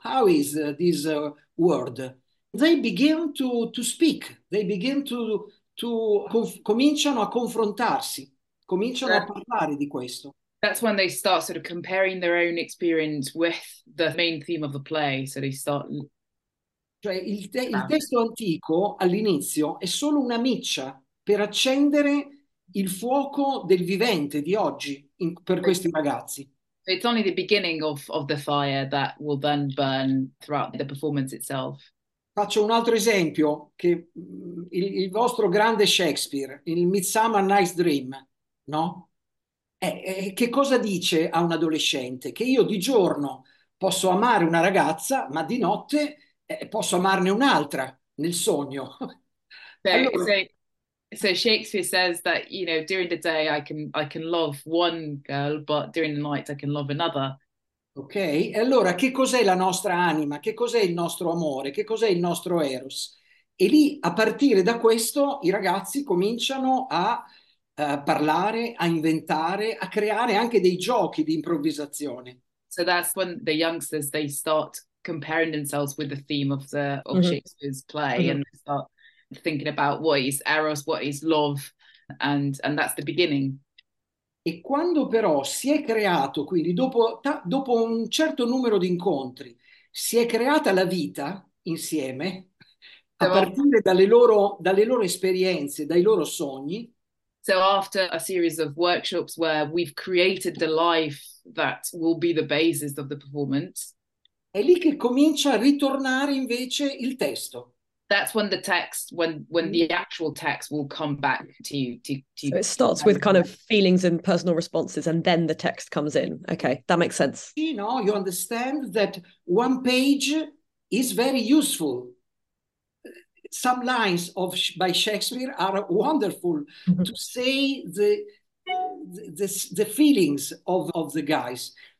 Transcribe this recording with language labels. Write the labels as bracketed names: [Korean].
[English] How is this world? They begin to speak, they begin [Italian] cominciano a confrontarsi, cominciano a parlare di questo. [English] That's when they start sort of comparing their own experience with the main theme of the play. So they start... [Italian] Cioè, il testo antico all'inizio è solo una miccia per accendere il fuoco del vivente di oggi per questi ragazzi. [English] It's only the beginning of the fire that will then burn throughout the performance itself. [Italian] Faccio un altro esempio, che il vostro grande Shakespeare, il Midsummer Night's Dream, no? Che cosa dice a un adolescente? Che io di giorno posso amare una ragazza, ma di notte posso amarne un'altra nel sogno. Allora. [English] So Shakespeare says that, you know, during the day I can love one girl, but during the night I can love another. [Italian] Ok, allora che cos'è la nostra anima? Che cos'è il nostro amore? Che cos'è il nostro Eros? E lì, a partire da questo, i ragazzi cominciano a parlare, a inventare, a creare anche dei giochi di improvvisazione. [English] So that's when the youngsters they start comparing themselves with the theme of Shakespeare's play and start thinking about what is Eros, what is love, and that's the beginning. [Italian] E quando però si è creato, quindi dopo un certo numero di incontri, si è creata la vita insieme, a partire dalle loro esperienze, dai loro sogni. [English] So after a series of workshops where we've created the life that will be the basis of the performance, [Italian] È lì che comincia a ritornare invece il testo. [English] that's when the text, when the actual text will come back to So it starts with kind of feelings and personal responses, and then the text comes in. Okay, that makes sense. you know, you understand that one page is very useful. Some lines of by Shakespeare are wonderful to say the feelings of the guys.